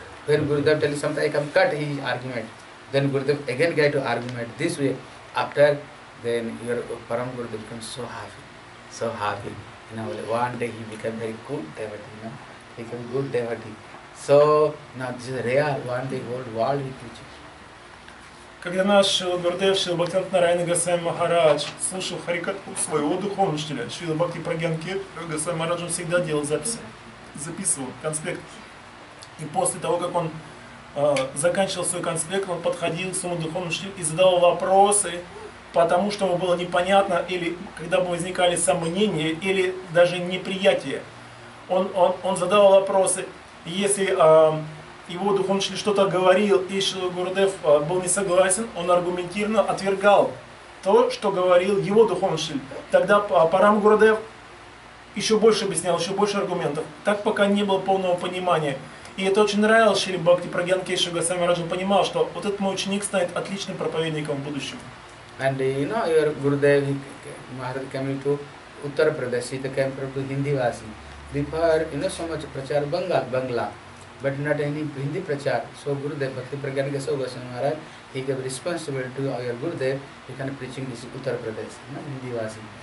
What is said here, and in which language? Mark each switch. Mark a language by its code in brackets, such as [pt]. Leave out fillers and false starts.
[en] When Gurudev telling, sometimes I come cut his argument. Then Gurudev again get to argument this way. After, then your Param Gurudev becomes so happy, so happy. Now, one day he became very good devotee, you know, become good devotee. So, now this is real, one day whole world he preaches. [ru] Когда наш Шрила Гурудев, Шрила Бхактивинода Нараяна Госвами Махарадж, слушал харикатху своего духовного учителя, Шрила Бхакти Прагьян Кешава Госвами Махарадж, он всегда делал записи, записывал конспект. И после того, как он заканчивал свой конспект, он подходил к своему духовному учителю и задавал вопросы, потому что ему было непонятно, или когда бы возникали сомнения, или даже неприятие. Он задавал вопросы. Если его духовный учитель что-то говорил, и Шрила Гурудев был не согласен, он аргументированно отвергал то, что говорил его духовный учитель. Тогда Парам Гурудев еще больше объяснял, еще больше аргументов. Так пока не было полного понимания. И это очень нравилось Шрила Бхакти Прагьян Кешава Госвами Махарадж. Он понимал, что вот этот мой ученик станет отличным проповедником в будущем. [en] And you know your Gurudev Maharaj coming to Uttar Pradesh, he came from to Hindi Vasi. Before, you know, so much prachar Bangla, but not any Hindi prachar. So Gurudev Bhakti Pragyan Keshava Goswami Maharaj, he gave responsibility to your Gurudev, he can preaching this Uttar Pradesh, you know, Hindi Vasi.